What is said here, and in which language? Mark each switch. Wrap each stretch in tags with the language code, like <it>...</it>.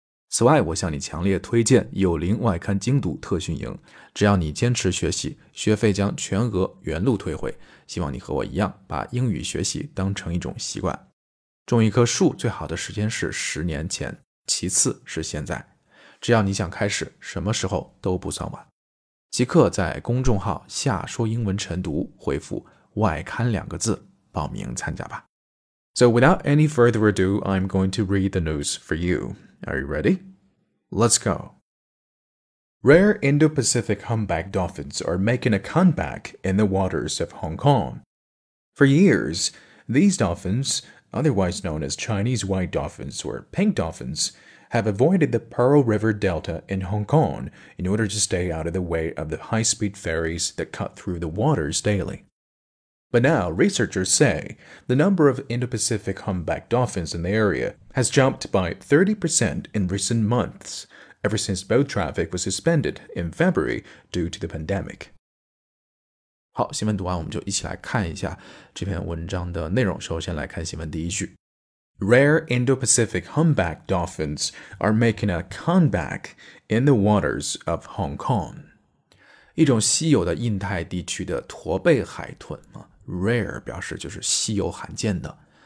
<zh>此外，我向你强烈推荐有灵外刊精读特训营，只要你坚持学习，学费将全额原路退回，希望你和我一样把英语学习当成一种习惯。种一棵树最好的时间是十年前，其次是现在，只要你想开始，什么时候都不算晚。即刻在公众号下说英文晨读回复外刊两个字报名参加吧。</zh> <en>So without any further ado, I'm going to read the news for you. Are you ready? Let's go. Rare Indo-Pacific humpback dolphins are making a comeback in the waters of Hong Kong. For years, these dolphins, otherwise known as Chinese white dolphins or pink dolphinshave avoided the Pearl River Delta in Hong Kong in order to stay out of the way of the high-speed ferries that cut through the waters daily. But now, researchers say, the number of Indo-Pacific humpback dolphins in the area has jumped by 30% in recent months, ever since boat traffic was suspended in February due to the pandemic.</en> <zh>好，新闻读完，我们就一起来看一下这篇文章的内容。首先来看新闻第一句。 Rare Indo-Pacific humpback dolphins are making a comeback in the waters of Hong Kong. 一种稀有的印太地区的驼背海豚 ,rare 表示就是稀有罕见的。</zh>